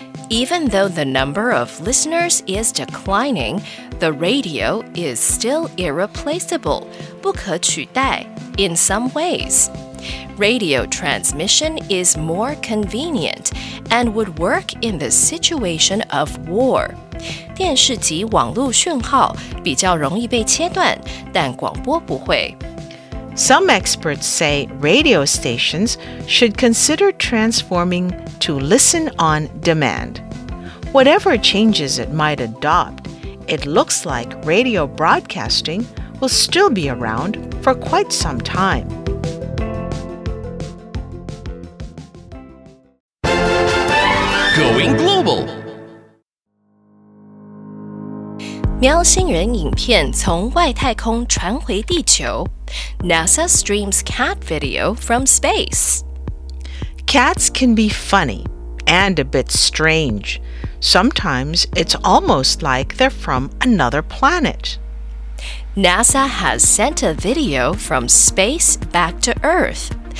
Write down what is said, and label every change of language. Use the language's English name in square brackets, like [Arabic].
[English] Even though the number of listeners is declining, the radio is still irreplaceable, [Chinese] 不可取代, [English] in some ways. Radio transmission is more convenient and would work in the situation of war. [Chinese] 电视及网路讯号比较容易被切断，但广播不会。 [English] Some experts say radio stations should consider transforming to listen on demand. Whatever changes it might adopt, it looks like radio broadcasting will still be around for quite some time. Going global. [Chinese] 喵星人影片从外太空传回地球。 [English] NASA streams cat video from space. Cats can be funny and a bit strange. Sometimes it's almost like they're from another planet. NASA has sent a video from space back to Earth.